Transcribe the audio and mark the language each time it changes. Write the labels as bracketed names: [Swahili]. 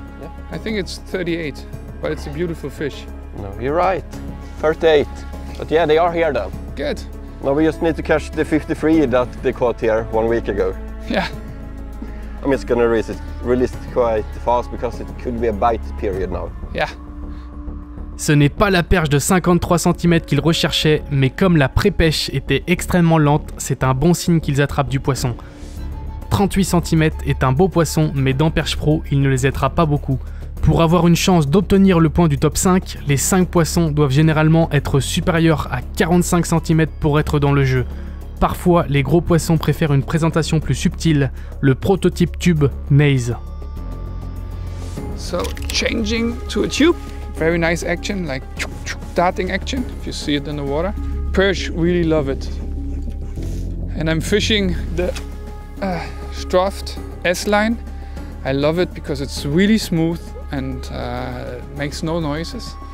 [English] Yeah. I think it's 38, but it's a beautiful fish. No, you're right. 38. But yeah, they are here then. Good. Now we just need to catch the 53 that they caught here 1 week ago. Yeah. I'm just gonna release it quite fast, because it could be a bite period now. Yeah. [French] Ce n'est pas la perche de 53 cm qu'ils recherchaient, mais comme la pré-pêche était extrêmement lente, c'est un bon signe qu'ils attrapent du poisson. 38 cm est un beau poisson, mais dans Perche Pro, il ne les attrape pas beaucoup. Pour avoir une chance d'obtenir le point du top 5, les 5 poissons doivent généralement être supérieurs à 45 cm pour être dans le jeu. Parfois, les gros poissons préfèrent une présentation plus subtile, le prototype tube Naze. [English] So, changing to a tube. Very nice action, like darting action, if you see it in the water. Perch really love it. And I'm fishing the Stroft S-line. I love it because it's really smooth and makes no noises.